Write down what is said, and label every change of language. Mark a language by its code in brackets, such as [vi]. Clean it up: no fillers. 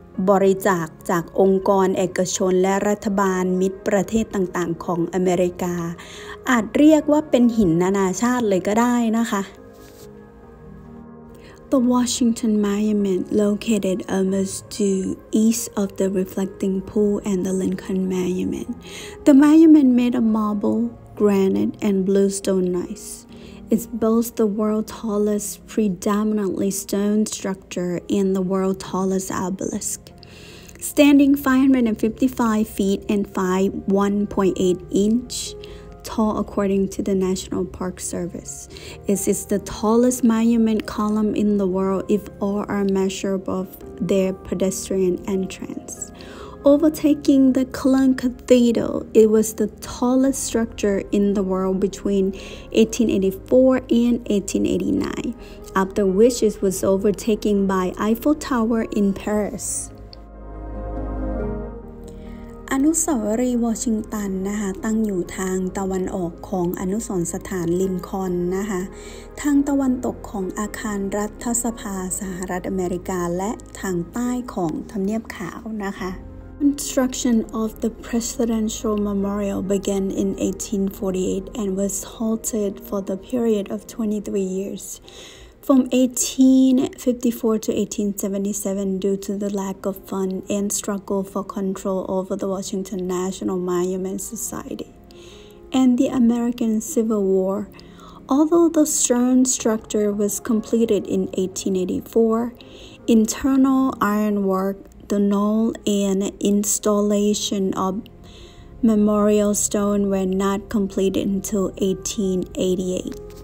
[th] บริจาคจากองค์กรเอกชนและรัฐบาลมิตรประเทศต่างๆของอเมริกาอาจเรียกว่าเป็นหินนานาชาติเลยก็ได้นะคะ [en] The Washington Monument, located almost to east of the Reflecting Pool and the Lincoln Monument. The monument made of marble, granite, and bluestone gneiss. It's both the world's tallest predominantly stone structure and the world's tallest obelisk. Standing 555 feet and 1.8 inch,tall according to the National Park Service. It is the tallest monument column in the world if all are measured above their pedestrian entrance. Overtaking the Cologne Cathedral, it was the tallest structure in the world between 1884 and 1889, after which it was overtaken by Eiffel Tower in Paris. [th] อนุสาวรีย์วอชิงตันนะคะตั้งอยู่ทางตะวันออกของอนุสรณ์สถานลินคอล์นนะคะ ทางตะวันตกของอาคารรัฐสภาสหรัฐอเมริกาและทางใต้ของทำเนียบขาวนะคะ [en] Construction of the Presidential Memorial began in 1848 and was halted for the period of 23 years from 1854 to 1877 due to the lack of funds and struggle for control over the Washington National Monument Society and the American Civil War. Although the stone structure was completed in 1884, internal ironwork, the knoll and installation of memorial stone were not completed until 1888.